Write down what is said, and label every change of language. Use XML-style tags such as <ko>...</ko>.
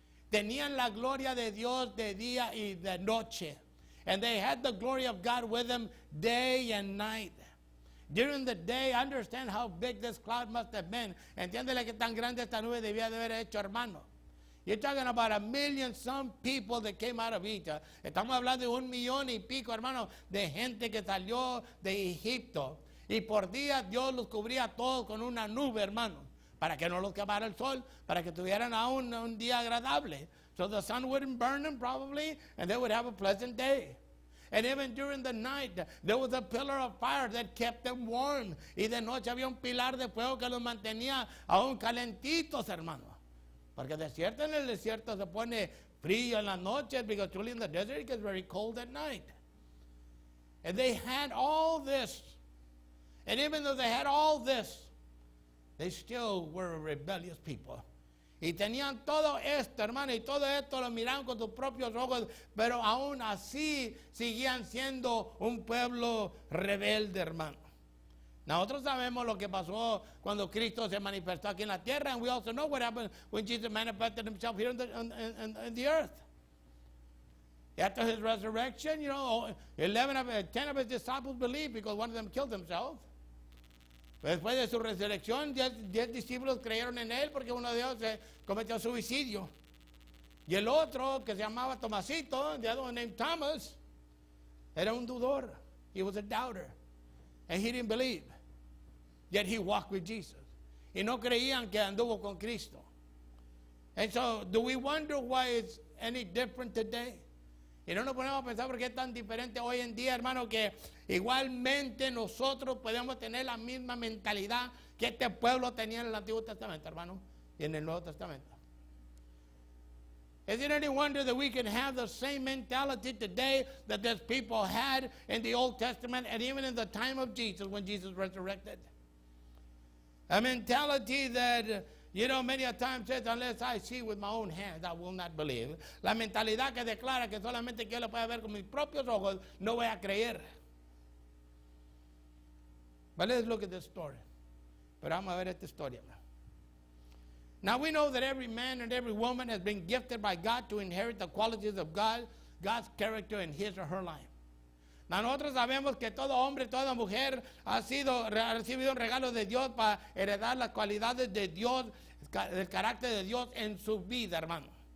<es>Tenían la gloria de Dios de día y de noche.</es> <en>And they had the glory of God with them day and night. During the day, understand how big this cloud must have been.</en> <es>Entiéndele que tan grande esta nube debía de haber hecho, hermano.</es> <en>You're talking about a million some people that came out of Egypt.</en> <es>Estamos hablando de un millón y pico, hermano, de gente que salió de Egipto. Y por día Dios los cubría todos con una nube, hermano, para que no los quemara el sol, para que tuvieran aún un día agradable.</es> <en>So the sun wouldn't burn them probably, and they would have a pleasant day. And even during the night, there was a pillar of fire that kept them warm.</en> <es>Y de noche había un pilar de fuego que los mantenía aún calentitos, hermano. Porque desierto en el desierto se pone frío en la noche,</es> <en>because truly in the desert it gets very cold at night. And they had all this. And even though they had all this, they still were a rebellious people.</en> <es>Y tenían todo esto, hermano, y todo esto lo miraban con sus propios ojos, pero aún así seguían siendo un pueblo rebelde, hermano. Nosotros sabemos lo que pasó cuando Cristo se manifestó aquí en la tierra,</es> <en>and we also know what happened when Jesus manifested himself here in the earth. After his resurrection, you know, 10 of his disciples believed because one of them killed himself.</en> <es>Después de su resurrección, 10 discípulos creyeron en él porque uno de ellos cometió suicidio. Y el otro, que se llamaba Tomasito,</es> <en>the other one named Thomas,</en> <es>era un dudor.</es> <en>He was a doubter. And he didn't believe. Yet he walked with Jesus.</en> <es>Y no creían que anduvo con Cristo.</es> <en>And so, do we wonder why it's any different today?</en> <es>Y no nos ponemos a pensar por qué es tan diferente hoy en día, hermano, que igualmente nosotros podemos tener la misma mentalidad que este pueblo tenía en el Antiguo Testamento, hermano, y en el Nuevo Testamento.</es> <en>Is it any wonder that we can have the same mentality today that this people had in the Old Testament and even in the time of Jesus when Jesus resurrected? A mentality that, you know, many a time says, unless I see with my own hands, I will not believe.</en> <es>La mentalidad que declara que solamente que yo lo pueda ver con mis propios ojos, no voy a creer.</es> <en>But let's look at this story.</en> <es>Pero vamos a ver esta historia.</es> <en>Now we know that every man and every woman has been gifted by God to inherit the qualities of God, God's character in his or her life.</en> <es>Nosotros sabemos que todo hombre, toda mujer ha recibido un regalo de Dios para heredar las cualidades de Dios, el carácter de Dios en su vida, hermano.</es>